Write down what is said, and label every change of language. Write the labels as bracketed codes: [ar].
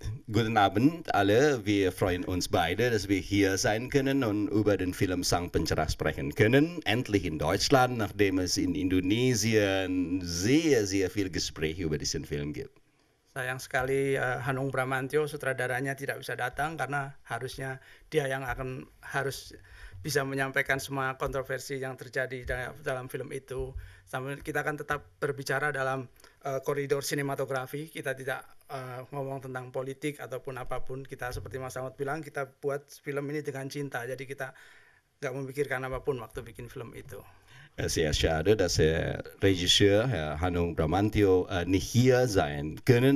[de] Guten Abend alle, wir freuen uns beide, dass wir hier sein können und über den Film Sang Pencerah sprechen können, endlich in Deutschland, nachdem es in Indonesien sehr, sehr viel Gespräch über diesen Film gibt. [id] Sayang sekali Hanung Bramantyo sutradaranya tidak bisa datang karena harusnya dia yang akan harus bisa menyampaikan semua kontroversi yang terjadi dalam film itu. Sambil kita akan tetap berbicara dalam koridor sinematografi, kita tidak ngomong tentang politik ataupun apapun. Kita seperti Mas Ahmad bilang, kita buat film ini dengan cinta. Jadi kita nggak memikirkan apapun waktu bikin film itu. [de] Sehr schade, dass der Regisseur, Herr Hanung Bramantyo, nicht hier sein können.